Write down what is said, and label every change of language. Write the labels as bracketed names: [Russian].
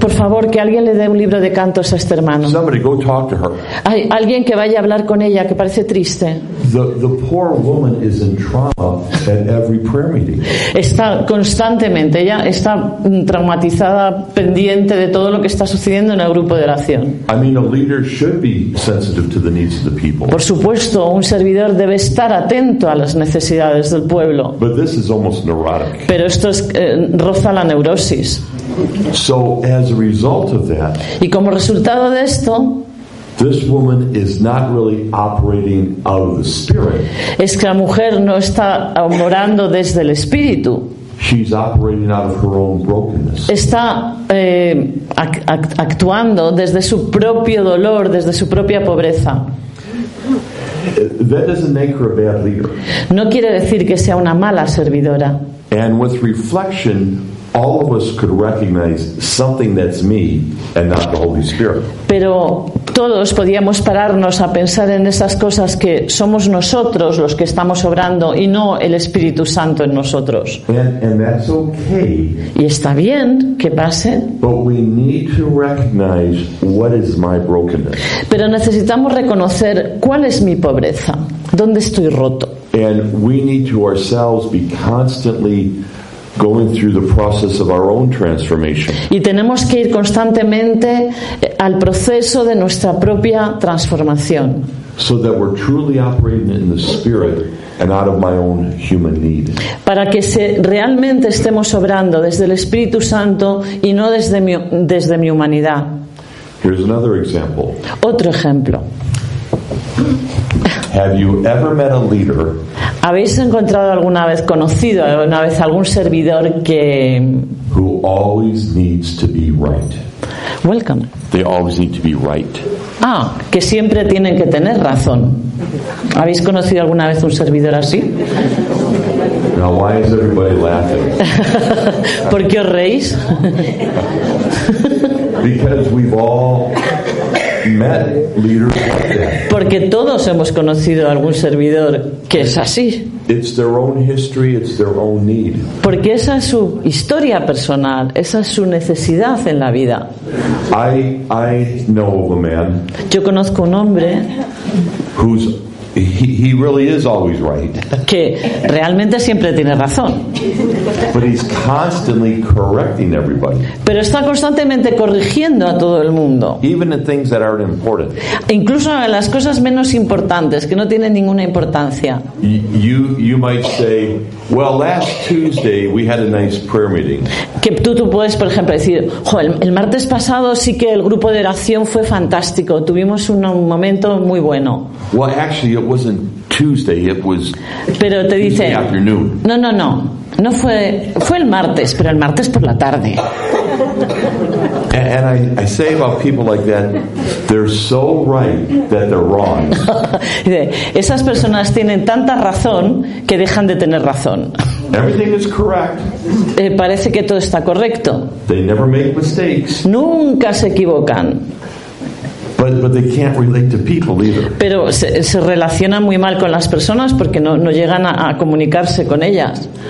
[Spanish] Por favor, que alguien le dé un libro de cantos a este hermano. [English] Somebody go talk to her. [Spanish] Ay, alguien que vaya a hablar con ella, que parece triste. [English] The poor woman is in trauma at every prayer meeting. [Spanish] Está constantemente, ella está traumatizada, pendiente de todo lo que está sucediendo en el grupo de oración. [English] I mean, a leader should be sensitive to the needs of the people. [Spanish] Por supuesto, un servidor debe estar atento a las necesidades del pueblo. [English] But this is almost neurotic. [Spanish] Pero esto es, roza la neurosis. [English] So as a result of that, [Spanish] y como resultado de esto, [English] this woman is not really operating out of the spirit. [Spanish] Es que la mujer no está morando desde el espíritu. [English] She's operating out of her own brokenness. [Spanish] Está actuando desde su propio dolor, desde su propia pobreza. [English] That doesn't make her a bad leader. [Spanish] No quiere decir que sea una mala servidora. [English] And with reflection, all of us could recognize something that's me and not the Holy Spirit. [Spanish] Pero todos podíamos pararnos a pensar en esas cosas que somos nosotros los que estamos obrando y no el Espíritu Santo en nosotros. [English] And that's okay. [Spanish] Y está bien que pase. [English] But we need to recognize what is my brokenness. [Spanish] Pero necesitamos reconocer cuál es mi pobreza, dónde estoy roto. [English] And we need to ourselves be constantly going through the process of our own transformation. [Spanish] Y tenemos que ir constantemente al proceso de nuestra propia transformación. [English] So that we're truly operating in the spirit and out of my own human need. [Spanish] Para que realmente estemos obrando desde el Espíritu Santo y no desde mi humanidad. [English] Here's another example. [Spanish] Otro ejemplo. [English] Have you ever met a leader? [Spanish] ¿Habéis encontrado alguna vez conocido alguna vez algún servidor que [English] who always needs to be right? Welcome. They always need to be right. [Spanish] Ah, que siempre tienen que tener razón. ¿Habéis conocido alguna vez un servidor así? [English] Now, why is everybody laughing? [Spanish] ¿Por qué os reís? [English] Because we've all met leaders like that. [Spanish] Porque todos hemos conocido algún servidor que es así. [English] It's their own history, it's their own need. [Spanish] Porque esa es su historia personal, esa es su necesidad en la vida. [English] I know of a man. [Spanish] Yo conozco un hombre [English] who's he really is always right. [Spanish] Que realmente siempre tiene razón. [English] But he's constantly correcting everybody. [Spanish] Pero está constantemente corrigiendo a todo el mundo. [English] Even in things that aren't important. [Spanish] Incluso en las cosas menos importantes, que no tienen ninguna importancia. [English] You might say, well, last Tuesday we had a nice prayer meeting. [Spanish] Que tú puedes, por ejemplo, decir, jo, el martes pasado sí que el grupo de oración fue fantástico. Tuvimos un momento muy bueno. [English] Well, actually, it wasn't Tuesday, it was [Spanish] pero te dice, [English] Tuesday afternoon. [Spanish] No, no, no. No fue, fue el martes, pero el martes por la tarde. [English] And I say about people like that, they're so right that they're wrong. [Spanish] Esas personas tienen tanta razón que dejan de tener razón. [English] Everything is correct. [Spanish] Parece que todo está correcto. [English] They never make mistakes. [Spanish] Nunca se equivocan. [English] But they can't relate to people either. [Spanish] Pero se relacionan muy mal con las personas porque no llegan a comunicarse con ellas.